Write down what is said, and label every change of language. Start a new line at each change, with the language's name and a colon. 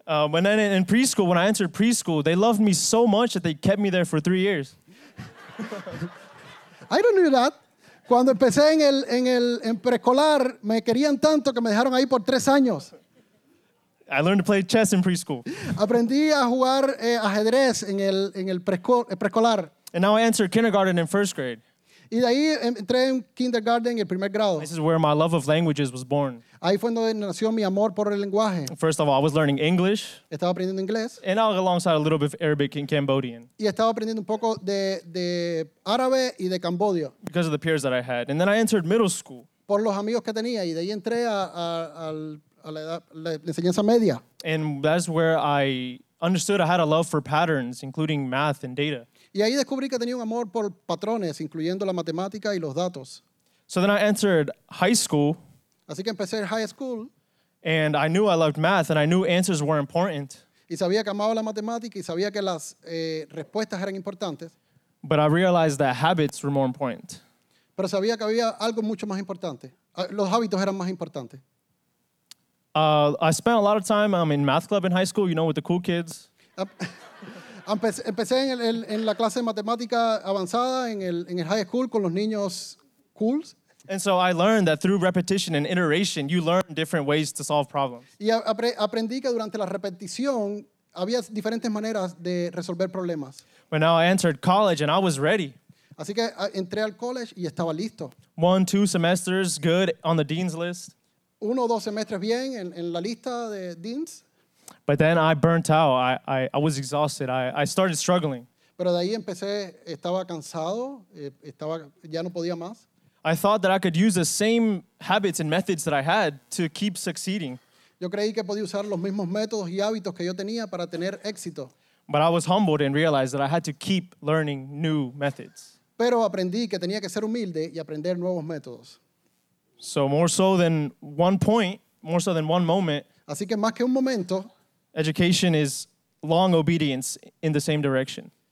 English: When I, in preschool, when I entered preschool, they loved me so much that they kept me there for 3 years. I don't know that.
Spanish: Cuando empecé en preescolar, me querían tanto que me dejaron ahí por 3 años.
English: I learned to play chess in preschool.
Spanish: Aprendí a jugar ajedrez en el preescolar.
English: And now I entered kindergarten in first grade.
Spanish: Y de ahí entré en kindergarten en el primer grado.
English: This is where my love of languages was born.
Spanish: Ahí fue donde nació mi amor por el lenguaje.
English: First of all, I was learning English.
Spanish: Estaba aprendiendo inglés.
English: And I was alongside a little bit of Arabic and Cambodian.
Spanish: Y estaba aprendiendo un poco de árabe y de cambodio.
English: Because of the peers that I had. And then I entered middle school.
Spanish: Por los amigos que tenía. Y de ahí entré a la enseñanza media.
English: And that's where I understood I had a love for patterns, including math and data.
Spanish: Y ahí descubrí que tenía un amor por patrones, incluyendo la matemática y los datos.
English: So then I entered high school.
Spanish: Así que empecé high school.
English: And I knew I loved math, and I knew answers were important.
Spanish: y sabía que amaba la matemática y sabía que las respuestas eran importantes.
English: But I realized that habits were more important.
Spanish: Pero sabía que había algo mucho más importante. Los hábitos eran más importantes.
English: I spent a lot of time in math club in high school, you know, with the cool kids.
Spanish: Empecé en la clase de matemática avanzada en el high school con los niños cools.
English: And so I learned that through repetition and iteration, you learn different ways to solve problems.
Spanish: Y aprendí que durante la repetición había diferentes maneras de resolver problemas.
English: But now I entered college and I was ready.
Spanish: Así que entré al college y estaba listo.
English: 1-2 semesters good on the dean's list.
Spanish: 1-2 semestres bien en la lista de deans.
English: But then I burnt out. I was exhausted. I started struggling.
Spanish: Pero de ahí empecé, estaba cansado, estaba ya no podía más.
English: I thought that I could use the same habits and methods that I had to keep succeeding.
Spanish: Yo creí que podía usar los mismos métodos y hábitos que yo tenía para tener éxito.
English: But I was humbled and realized that I had to keep learning new methods.
Spanish: Pero aprendí que tenía que ser humilde y aprender nuevos métodos.
English: So more so than one point, more so than one moment.
Spanish: Así que más que un momento.
English: Education is long obedience in the same direction.